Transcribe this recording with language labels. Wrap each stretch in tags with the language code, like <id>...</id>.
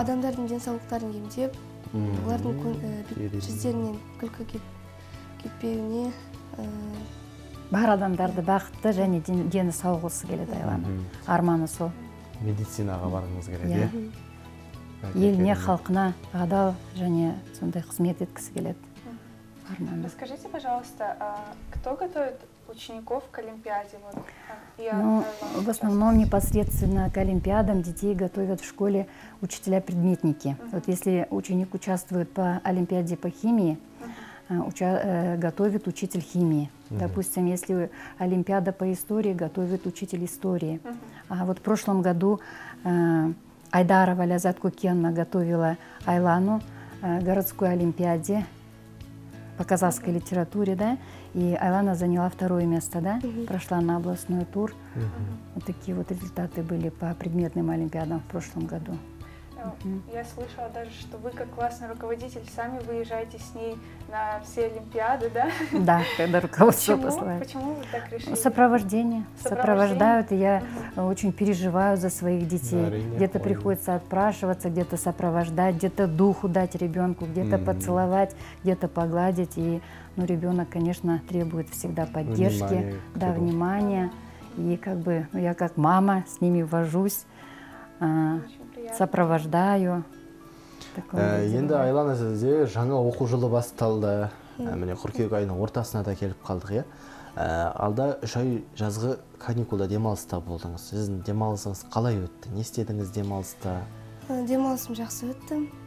<kk>Адамдардың денсаулықтарын емдеп, олардың жүздерінен күлкі кетпеуіне. Бар адамдарды бақытты және дені сау болғысы келеді, Айлана. Арманы сол. Медицинаға барғыңыз келеді. Еліне, халқына адал және сондай қызмет еткісі келеді. Арманы.</kk> <ru>Расскажите, пожалуйста, кто готовит учеников к Олимпиаде? Ну, в основном непосредственно к Олимпиадам детей готовят в школе учителя-предметники. Uh-huh. Вот если ученик участвует по Олимпиаде по химии, готовит учитель химии. Uh-huh. Допустим, если Олимпиада по истории, готовит учитель истории. Uh-huh. А вот в прошлом году Айдарова Лязат Кукенна готовила Айлану городской Олимпиаде по казахской uh-huh. литературе, да? И Айлана заняла второе место, да? Uh-huh. Прошла на областной тур. Uh-huh. Вот такие вот результаты были по предметным олимпиадам в прошлом году. Uh-huh. Я слышала даже, что вы как классный руководитель сами выезжаете с ней на все олимпиады, да? Да, когда руководство послает. Почему вы так решили? Сопровождение. Сопровождают, и я uh-huh. очень переживаю за своих детей. Да, где-то понял. Приходится отпрашиваться, где-то сопровождать, где-то духу дать ребенку, где-то mm-hmm. поцеловать, где-то погладить. И ну, ребенок, конечно, требует всегда поддержки, внимание, да, внимания. И как бы ну, я как мама с ними вожусь, сопровождаю.</ru> <kk>Енді Айлана, сізде жаңа оқу жылы басталды. Міне, қыркүйек айының ортасына да келіп қалдық, иә. Алда 3 ай жазғы каникулда демалыста болдыңыз. Сіздің демалысыңыз қалай өтті? Не істедіңіз демалыста? Демалысым жақсы өтті.</kk>